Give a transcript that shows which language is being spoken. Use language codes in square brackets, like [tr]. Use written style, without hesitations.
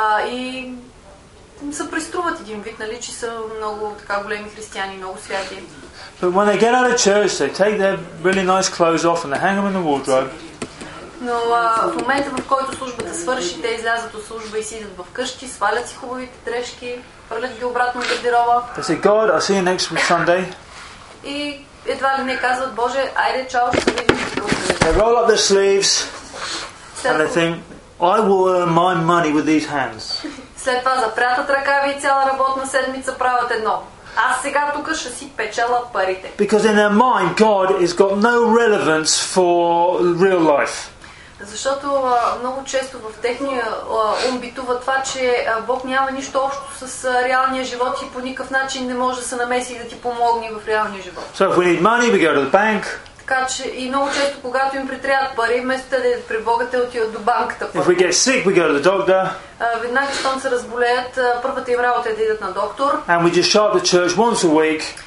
[bg] И се приструват един вид, нали, че са много така големи християни, много святи. [en] But when they get out of church, they take their really nice clothes off and they hang them in the wardrobe. [bg] Но в момента, в който службата свърши, те излязат от служба и си идат вкъщи, свалят си хубавите дрешки, хвърлят ги обратно в гардероба. [en] They say, God, I'll see you next week Sunday. [bg] И едва ли не казват, Боже, айде, чао, ще се видим. [en] They roll up their sleeves and they think, I will earn my money with these hands. [bg] След това запрятат ръкави и цяла работна седмица правят едно. Аз сега тук ще си печела парите. [en] Because in their mind, God has got no relevance for real life. [bg] Защото много често в техния ум битува това, че Бог няма нищо общо с реалния живот и по никакъв начин не може да се намеси и да ти помогне в реалния живот. [en] So if we need money, we go to the bank. [bg] Така че и много често, когато им притрябват пари, вместо да идат при Бога, те отиват до банката. [en] If we get sick, we go to the doctor. [bg] Веднага, щом се разболеят, първата им работа е да идат на доктор. [en] And we just show up to church once a week.